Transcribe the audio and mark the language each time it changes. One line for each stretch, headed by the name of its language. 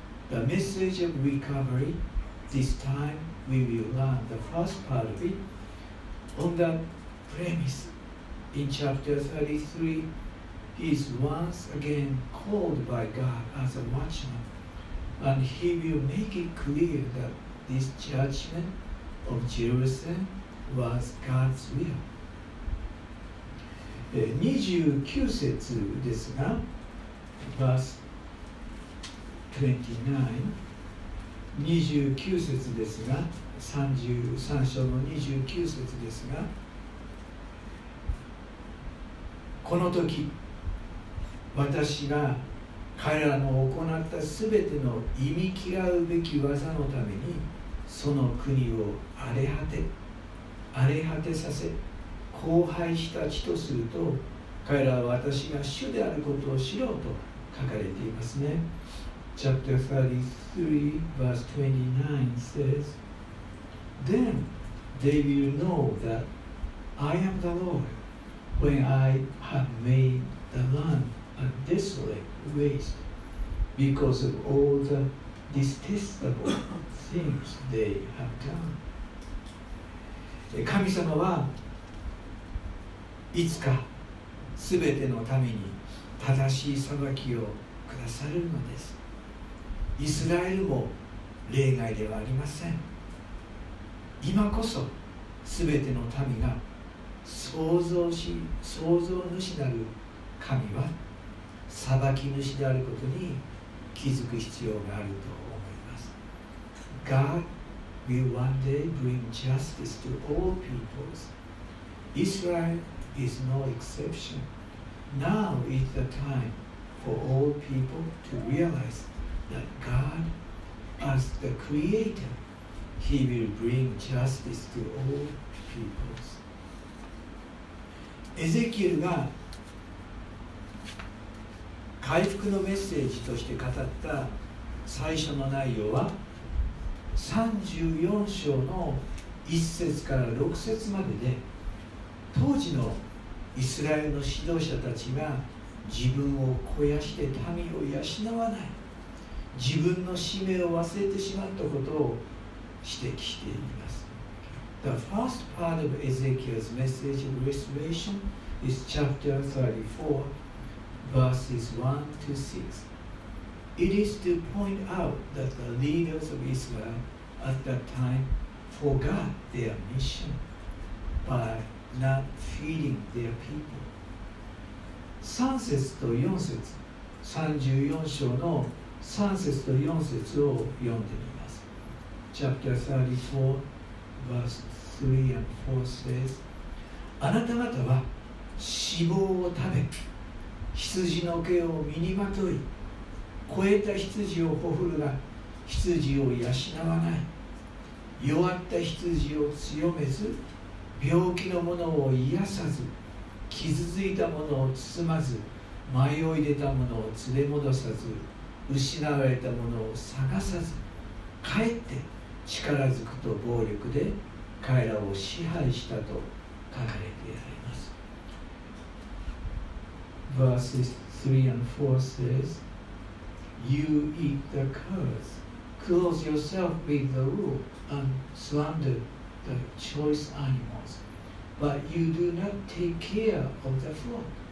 English: The message of recovery. This time we will learn the first part of it on the premise. In chapter 33, he is once again called by God as a watchman, and he will make it clear that this judgment of Jerusalem was God's will.
Japanese: 29節ですが、
English: verse 29,
Japanese: 29節ですが、33章の29節ですが、この時私が彼らの行ったすべての忌み嫌うべき技のためにその国を荒れ果てさせ荒廃した地とすると、彼らは私が主であることを知ろうと書かれていますね。
English: Chapter 33, verse 29 says, Then they will know that I am the Lord when I have made the land a desolate waste because of all the detestable things they have done.
Japanese: 神様はいつかすべての民に正しい裁きをくださるのです。イスラエルも例外ではありません。今こそすべての民が創造主なる神は裁き主であることに気づく必要があると思います。
English: God will one day bring justice to all peoples. Israel is no exception. Now is the time for all people to realize that God, as the creator, He will bring justice to all peoples.
Japanese: エゼキエルが回復のメッセージとして語った最初の内容は34章の1節から6節までで、当時のイスラエルの指導者たちが自分を肥やして民を養わない、自分の使命を忘れてしまったことを指摘しています。
English: The first part of Ezekiel's message of restoration is chapter 34, verses 1 to 6. It is to point out that the leaders of Israel at that time forgot their mission by not feeding their people.
Japanese: 3節と4節、34章の3節と4節を読んでみます。
English: Chapter 34, verse 2. 3 and 4 says,
Japanese: あなた方は脂肪を食べ、羊の毛を身にまとい、肥えた羊をほふるが羊を養わない、弱った羊を強めず、病気のものを癒さず、傷ついたものを包まず、迷い出たものを連れ戻さず、失われたものを探さず、かえって力づくと暴力で彼らを支配したと書かれてあります。
English: Verses 3 and 4 says You eat the curds, clothe yourself with the wool, and slander the choice animals, but you do not take care of the flock.